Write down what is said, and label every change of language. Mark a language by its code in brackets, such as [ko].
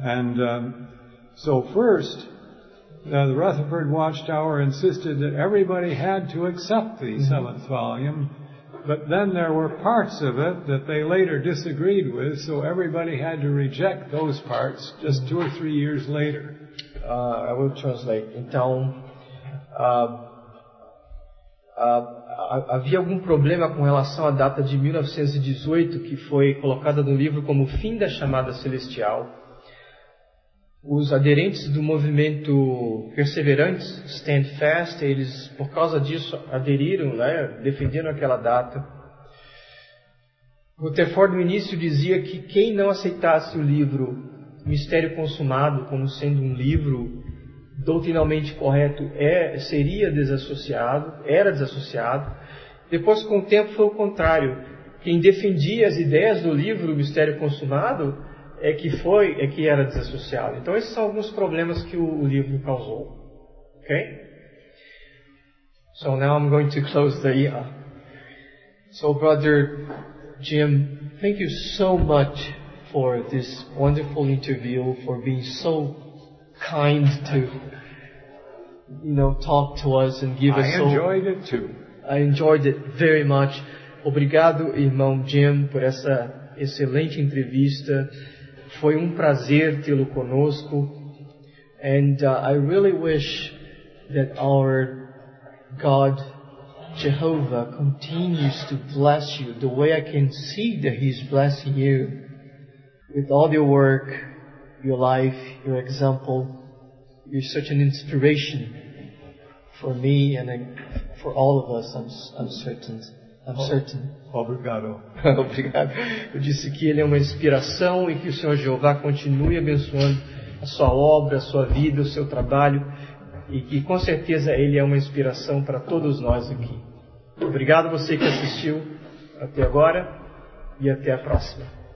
[en] And so first, the Rutherford Watchtower insisted that everybody had to accept the mm-hmm. seventh volume, but then there were parts of it that they later disagreed with, so everybody had to reject those parts just two or three years later. I will translate. [pt] Então, havia algum problema com relação à data de 1918, que foi colocada no livro como o fim da chamada celestial. Os aderentes do movimento perseverantes, Stand Fast, eles, por causa disso, aderiram, né, defenderam aquela data. Rutherford, no início, dizia que quem não aceitasse o livro Mistério Consumado como sendo um livro doutrinalmente correto era desassociado. Depois, com o tempo, foi o contrário. Quem defendia as ideias do livro Mistério Consumado é que era desassociado. Então esses são alguns problemas que o livro causou. Ok? [en] So now I'm going to close the year. So Brother Jim, thank you so much for this wonderful interview, for being so kind to, you know, talk to us and give us. I enjoyed it very much. [pt] Obrigado, irmão Jim, por essa excelente entrevista. Foi um prazer tê-lo conosco. [en] And I really wish that our God, Jehovah, continues to bless you the way I can see that He's blessing you with all your work, your life, your example. You're such an inspiration for me and for all of us, I'm certain. I'm certain. [pt] Obrigado. Obrigado. Eu disse que ele é uma inspiração e que o Senhor Jeová continue abençoando a sua obra, a sua vida, o seu trabalho, e que com certeza ele é uma inspiração para todos nós aqui. Obrigado a você que assistiu até agora e até a próxima.